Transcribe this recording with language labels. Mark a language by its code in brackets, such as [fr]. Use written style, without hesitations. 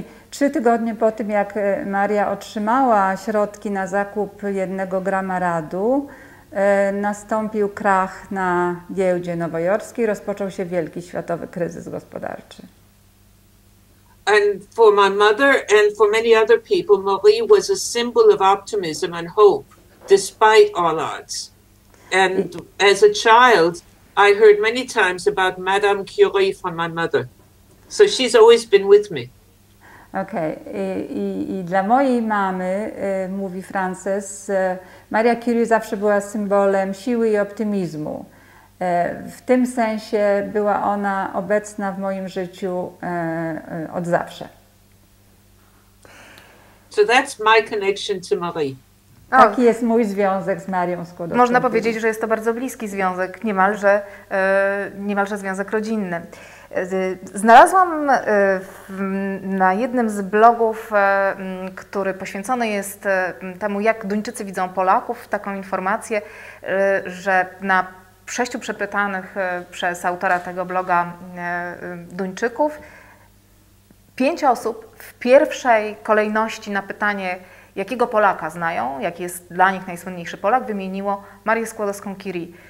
[pl] Trzy tygodnie po tym, jak Maria otrzymała środki na zakup 1 grama radu, nastąpił krach na giełdzie nowojorskiej, rozpoczął się wielki światowy kryzys gospodarczy. [en] And for my mother and for many other people, Marie was a symbol of optimism and hope, despite all odds. And as a child, I heard many times about Madame Curie from my mother. So she's always been with me. Okay. [pl] I dla mojej mamy, mówi Frances, Maria Curie zawsze była symbolem siły i optymizmu. W tym sensie była ona obecna w moim życiu od zawsze. [en] So that's my connection to Marie. [pl] Taki jest mój związek z Marią Skłodowską. Można powiedzieć, że jest to bardzo bliski związek, niemalże związek rodzinny. Znalazłam na jednym z blogów, który poświęcony jest temu, jak Duńczycy widzą Polaków, taką informację, że na 6 przepytanych przez autora tego bloga Duńczyków, 5 osób w pierwszej kolejności na pytanie, jakiego Polaka znają, jaki jest dla nich najsłynniejszy Polak, wymieniło Marię Skłodowską-Curie.